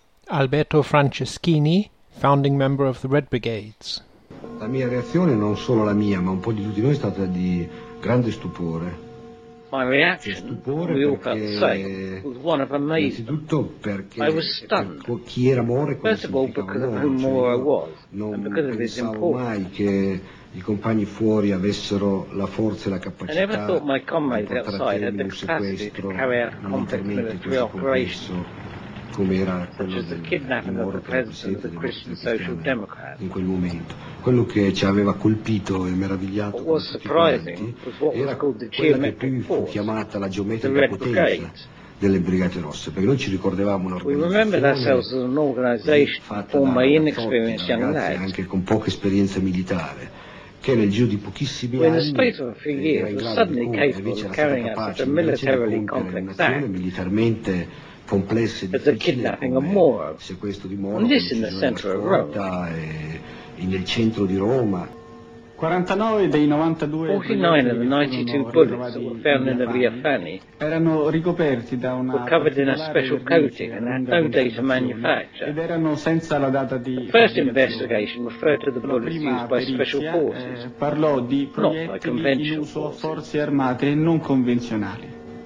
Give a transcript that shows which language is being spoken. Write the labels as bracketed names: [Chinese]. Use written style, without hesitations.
[English] Alberto Franceschini, founding member of the Red Brigades. [Italian] La mia reazione, non solo la mia, ma un po' di tutti noi, è stata di grande stupore. [English] My reaction, we all felt safe, was one of amazement. I was stunned, first of all because of who Moore was, and because of his importance. [Italian] I compagni fuori avessero la forza e la capacità. [English] I never thought my comrades outside had the capacity to carry out complex military operations, such as the kidnapping of the president of the Christian Social Democrats. [Italian] In quel momento, quello che ci aveva colpito e meravigliato [English] was surprising, was what was called the geometric force, [Italian] la geometrica potenza delle Brigate Rosse, perché noi ci ricordavamo un'organizzazione fatta da [English] inexperienced young lads, [Italian] anche con poca esperienza militare, che nel giro di pochissimi anni, [English] suddenly capable of carrying out such a militarily complex act, [Italian] complesse [English] as the kidnapping of Moro, [Italian] questo di [English] Moro, and this in the center of Rome. [Italian] E nel centro di Roma. 49 dei 92 [English] 49 of the 92 bullets that were found in the Via Fani [Italian] erano ricoperti da una [English] were covered in a special coating and had no date of manufacture. [Italian] Ed erano senza la data di [English] the first investigation referred to the bullets used by special forces, [Italian] parlò di proiettili in uso a forze armate non convenzionali.